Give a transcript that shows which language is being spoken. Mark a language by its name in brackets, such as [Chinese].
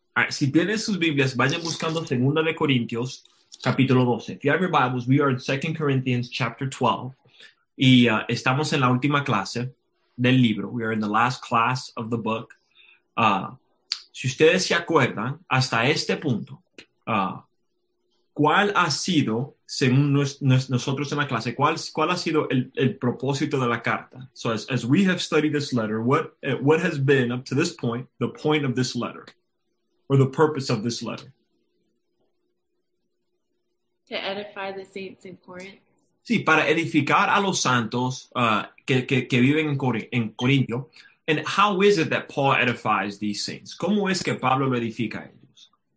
[Spanish] Si tienen sus Biblias, vayan buscando 2 de Corintios, capítulo 12. [English] If you have your Bibles, we are in 2 Corinthians, chapter 12. [Spanish] Y estamos en la última clase del libro. [English] We are in the last class of the book. [Spanish] Si ustedes se acuerdan, hasta este punto, ¿cuál ha sido, según nosotros en la clase, cuál ha sido el propósito de la carta? [English] So as we have studied this letter, what has been, up to this point, the point of this letter? Or the purpose of this letter? To edify the saints in Corinth. [Spanish] Sí, para edificar a los santos que viven en Corinto. [English] And how is it that Paul edifies these saints? [Spanish] ¿Cómo es que Pablo lo edifica a ellos?